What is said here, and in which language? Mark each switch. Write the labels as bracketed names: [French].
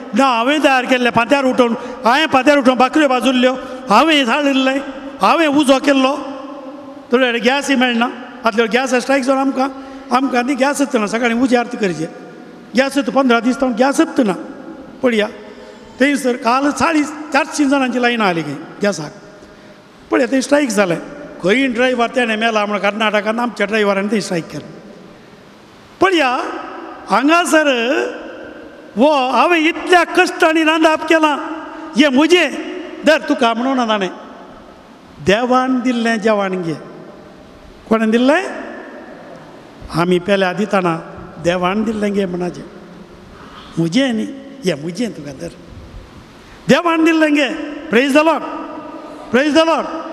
[Konkani] ना हांवें तयार केल्लें पांत्यार उठोवन, हांवें पांत्यार उठोवन भाकऱ्यो भाजुल्ल्यो, हांवें झाडिल्लें, हांवें उजो केल्लो, थोडे गॅसय मेळना, आदले गॅस स्ट्रायक जावन आमकां आमकां आनी गॅस येत ना, सकाळीं उजी आरती करचे, गॅस येत 15 दीस जावन गॅस येत ना। पळया थंयसर काल 450 जाणांची लायन आली खंय गॅसाक, पळय थंय स्ट्रायक जालें, खंय ड्रायव्हर तेणें मेला म्हण कर्नाटकान आमच्या ड्रायव्हरान थंय स्ट्रायक केलें। पळया हांगासर वो हांवें इतल्या कश्टांनी रांदप केलां, हे म्हजें धर तुका म्हणून ना ताणें, देवान दिल्लें जेवण घे। कोणें दिल्लें? आमी पेल्या दिताना देवान दिल्लें घे म्हणाचें, म्हजें न्ही हे म्हजें तुका धर, देवान दिल्लें घे। [English] Praise the Lord, praise the Lord.